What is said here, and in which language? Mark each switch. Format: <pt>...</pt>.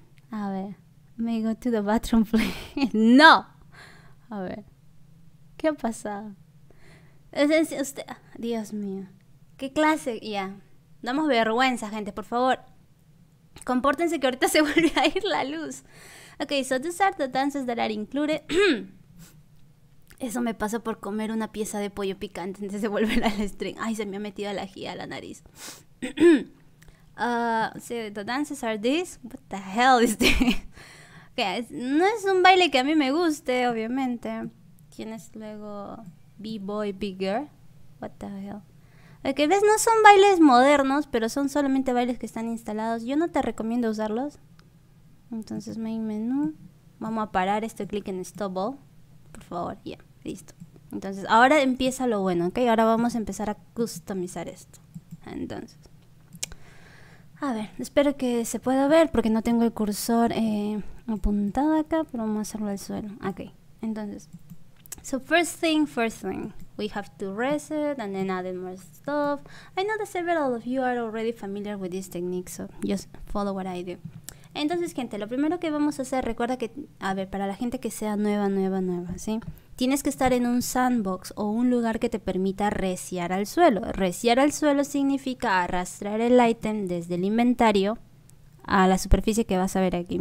<es>A ver.</es> <en>May go to the bathroom, please.</en> <es>No. A ver. ¿Qué ha pasado? Usted, Dios mío. ¿Qué clase? Ya. Damos vergüenza, gente, por favor. Compórtense que ahorita se vuelve a ir la luz.</es> <en>Ok, so these are the dances that are included.</en> <es>Eso me pasa por comer una pieza de pollo picante antes de volver al stream. Ay, se me ha metido el ají a la nariz.</es> <en>So the dances are this. What the hell is this?</en> <es>Okay, no es un baile que a mí me guste, obviamente. Tienes luego B-Boy, B-Girl.</es> <en>What the hell?</en> <es>Que ves, no son bailes modernos, pero son solamente bailes que están instalados. Yo no te recomiendo usarlos. Entonces, main menú. Vamos a parar este clic en stop all. Por favor, ya, listo. Entonces, ahora empieza lo bueno, ¿ok? Ahora vamos a empezar a customizar esto. Entonces, a ver, espero que se pueda ver porque no tengo el cursor apuntado acá, pero vamos a hacerlo al suelo. Ok, entonces.</es> <en>So first thing, we have to reset and then add more stuff. I know that several of you are already familiar with this technique, so just follow what I do.</en> <es>Entonces, gente, lo primero que vamos a hacer, recuerda que, a ver, para la gente que sea nueva, nueva, nueva, ¿sí? Tienes que estar en un sandbox o un lugar que te permita resear al suelo. Resear al suelo significa arrastrar el ítem desde el inventario a la superficie que vas a ver aquí.</es>